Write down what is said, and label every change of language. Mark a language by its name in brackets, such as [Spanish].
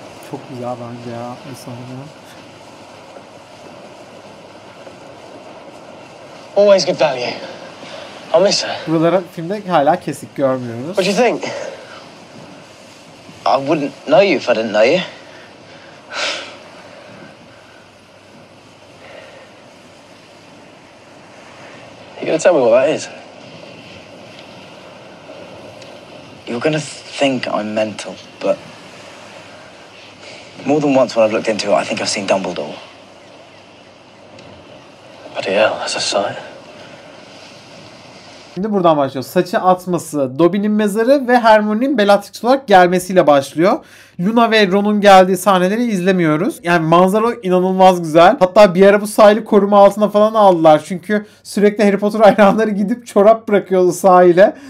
[Turkish] Çok güzel bence ya bu sahne. [English] Always good value. I'll miss her. [Turkish] Buraları filmde hala kesik görmüyoruz. [English] What do you think? I wouldn't know you if I didn't know you. You're gonna tell me what that is? You're gonna think I'm mental, but... More than once when I've looked into it, I think I've seen Dumbledore. Bloody hell, that's a sight. [Turkish] Şimdi buradan başlıyor. Saçı atması, Dobby'nin mezarı ve Hermione'nin Bellatrix olarak gelmesiyle başlıyor. Luna ve Ron'un geldiği sahneleri izlemiyoruz. Yani manzara inanılmaz güzel. Hatta bir ara bu sahili koruma altına falan aldılar. Çünkü sürekli Harry Potter hayranları gidip çorap bırakıyordu sahile.